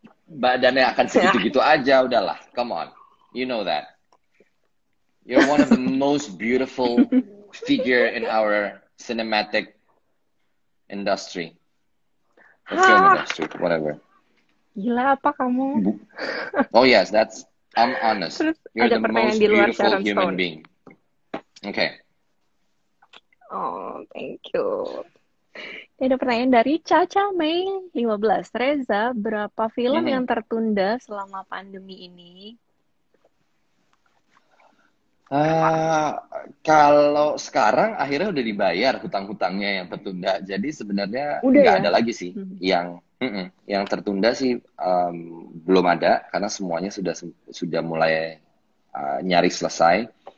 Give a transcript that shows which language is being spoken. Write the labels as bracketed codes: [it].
[id] Badannya akan segitu-gitu aja udahlah. [en] Come on. You know that. You're one of the most beautiful figure in our cinematic industry. Film industry, whatever. [id] Gila apa kamu? [en] Oh yes, that's, I'm honest. You're the most beautiful human being. Okay. Oh, thank you. [id] Ada pertanyaan dari Caca Mei 15. Reza, berapa film yang tertunda selama pandemi ini? Kalau sekarang akhirnya udah dibayar hutang-hutangnya yang tertunda, jadi sebenarnya nggak ada lagi sih yang tertunda sih belum ada karena semuanya sudah mulai nyaris selesai.